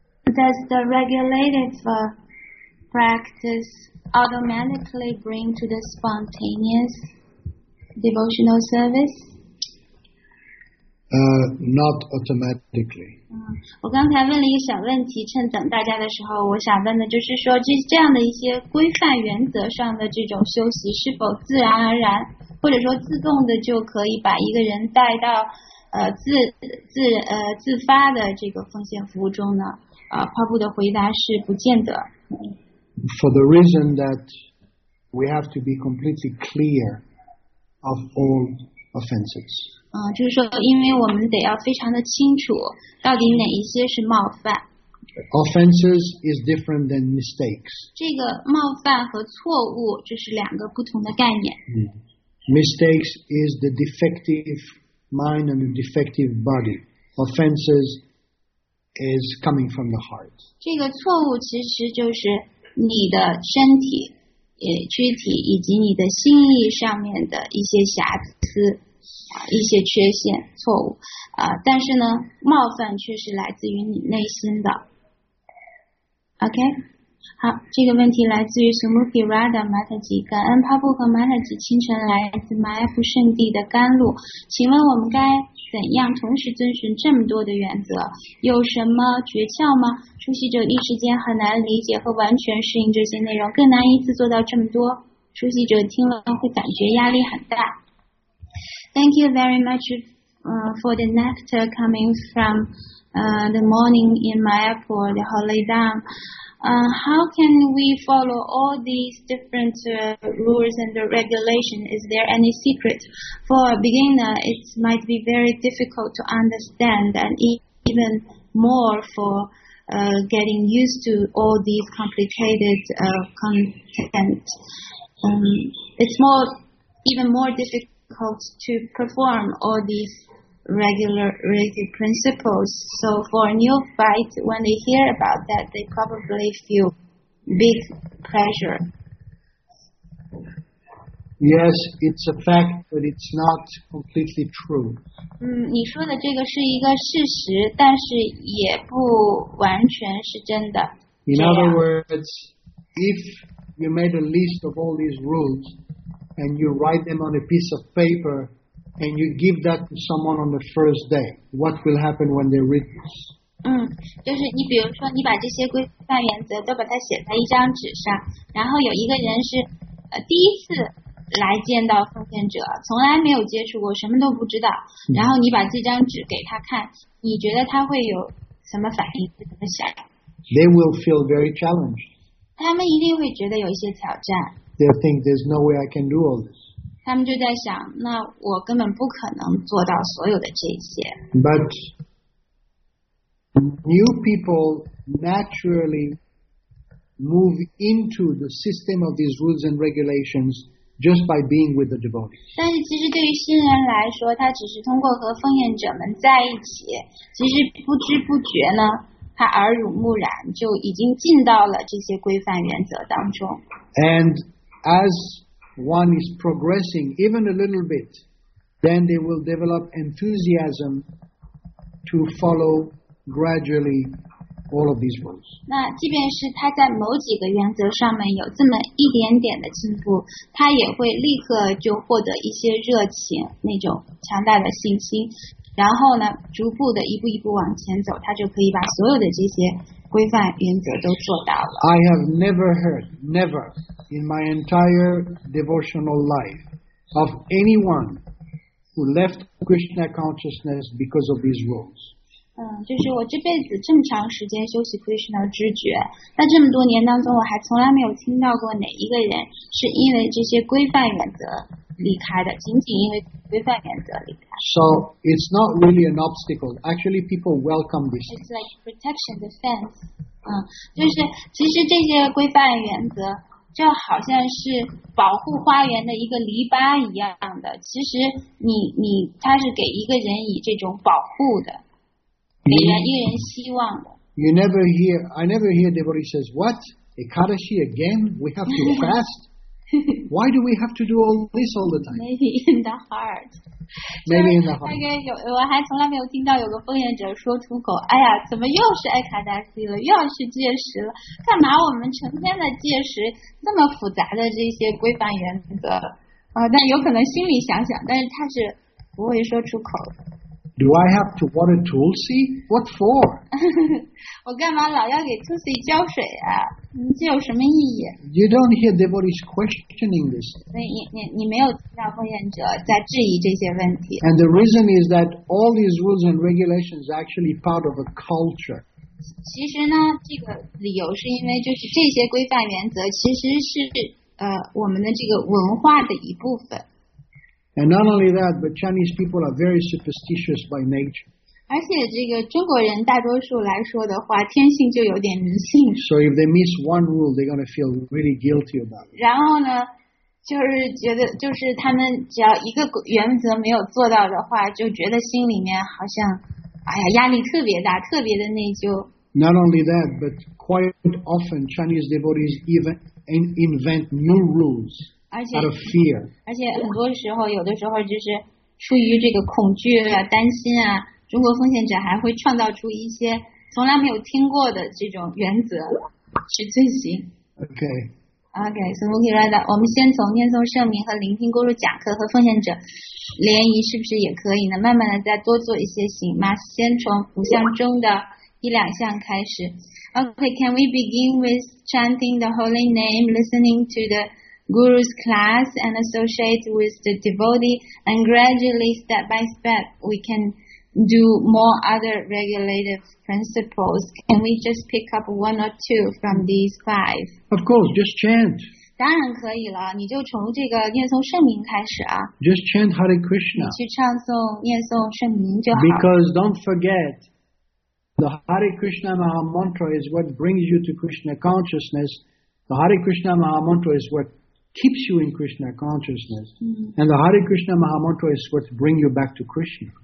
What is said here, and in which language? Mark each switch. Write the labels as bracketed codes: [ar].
[en] Does the regulated practice automatically bring to the spontaneous devotional service? Not automatically. [zh] 我刚才问了一个小问题，趁等大家的时候，我想问的就是说，这样的一些规范原则上的这种休息，是否自然而然，或者说自动的就可以把一个人带到自发的这个奉献服务中呢？帕布的回答是不见得。 [en] For the reason that we have to be completely clear of all offenses. [zh] 就是说因为我们得要非常的清楚到底哪一些是冒犯。 [en] Offenses is different than mistakes. [zh] 这个冒犯和错误这是两个不同的概念。 [en] Mistakes is the defective mind and the defective body. Offenses is coming from the heart. [zh] 这个错误其实就是你的身体、躯体以及你的心意上面的一些瑕疵、一些缺陷、错误。但是呢，冒犯却是来自于你内心的。 OK， 好，这个问题来自于 Sumuki Radha Mataji， 感恩 Pabu 和 Mataji 清晨来自马耶夫圣地的甘露，请问我们该怎样同时遵循这么多的原则，有什么诀窍吗？初习者一时间很难理解和完全适应这些内容，更难一次做到这么多，初习者听了会感觉压力很大。 [en] Thank you very much for the nectar coming from the morning in my airport, the Holy Dam. How can we follow all these different rules and regulations? Is there any secret? For a beginner, it might be very difficult to understand and even more for getting used to all these complicated content. It's more, even more difficult to perform all these regulated principles. So for a new fight, when they hear about that, they probably feel big pressure. Yes, it's a fact, but it's not completely true. [zh] 你说的这个是一个事实，但是也不完全是真的。 [en] In other words, if you made a list of all these rules and you write them on a piece of paper,And you give that to someone on the first day. What will happen when they read this? [zh] 就是你比如说你把这些规范原则都把它写在一张纸上，然后有一个人是第一次来见到奉献者，从来没有接触过，什么都不知道，然后你把这张纸给他看，你觉得他会有什么反应，怎么想？ [en] They will feel very challenged. [zh] 他们一定会觉得有一些挑战。 [en] They'll think there's no way I can do all this. [zh] 他们就在想，那我根本不可能做到所有的这些。 [en] But new people naturally move into the system of these rules and regulations just by being with the devotees. [zh] 但是其实对于新人来说，他只是通过和奉献者们在一起，其实不知不觉呢，他耳濡目染就已经进到了这些规范原则当中。 [en] And as one is progressing even a little bit, then they will develop enthusiasm to follow gradually all of these rules. [zh] 那即便是他在某几个原则上面有这么一点点的进步，他也会立刻就获得一些热情，那种强大的信心，然后呢，逐步的一步一步往前走，他就可以把所有的这些规范原则都做到了。 [en] I have never heard, never in my entire devotional life of anyone who left Krishna consciousness because of these rules. [zh] 就是我这辈子这么长时间修习 Krishna 知觉，在这么多年当中，我还从来没有听到过哪一个人是因为这些规范原则离开的，仅仅因为规范原则离开。 [en] So it's not really an obstacle. Actually, people welcome this. It's like protection defense. [zh] 就是其实这些规范原则就好像是保护花园的一个篱笆一样的。其实你它是给一个人以这种保护的。 [en] You never hear, I never hear devotee says, what? Ekadashi again? We have to fast? Why do we have to do all this all the time? Maybe in the heart. Maybe in the heart. [zh] 我还从来没有听到有个奉献者说出口，哎呀，怎么又是Ekadashi了，又要去戒食了，干嘛我们成天的戒食，这么复杂的这些规范原则，但有可能心里想想，但是他是不会说出口的。 [en] Do I have to water Tulsi? What for? [zh] 我干嘛老要给 Tulsi 浇水啊？这有什么意义？ [en] You don't hear devotees questioning this. [zh] 你没有听到奉献者在质疑这些问题。 [en] And the reason is that all these rules and regulations are actually part of a culture. [zh] 其实呢，这个理由是因为就是这些规范原则其实是我们的这个文化的一部分。 [en] And not only that, but Chinese people are very superstitious by nature. [zh] 而且这个中国人大多数来说的话，天性就有点迷信。 [en] So if they miss one rule, they're going to feel really guilty about it. [zh] 然后呢，就是觉得就是他们只要一个原则没有做到的话，就觉得心里面好像，哎呀，压力特别大，特别的内疚。 [en] Not only that, but quite often Chinese devotees even invent new rules. Out of fear. [zh] 而且很多时候，有的时候就是出于这个恐惧啊、担心啊，中国奉献者还会创造出一些从来没有听过的这种原则去遵循。 [en] Okay. [zh] So Mukhi Radha, 我们先从念诵圣名和聆听Guru讲课和奉献者联谊，是不是也可以呢？慢慢的再多做一些行吗？先从五项中的一两项开始。 [en] Okay, can we begin with chanting the holy name, listening to the Guru's class and associate with the devotee, and gradually, step by step, we can do more other regulative principles. Can we just pick up one or two from these five? Of course, just chant. [zh] 当然可以了，你就从这个念诵圣名开始啊。 [en] Just chant Hare Krishna. [zh] 去唱诵念诵圣名就好。 [en] Because don't forget, the Hare Krishna Maha Mantra is what brings you to Krishna consciousness. The Hare Krishna Maha Mantra is what keeps you in Krishna consciousness, and the Hare Krishna Maha Mantra is what brings you back to Krishna.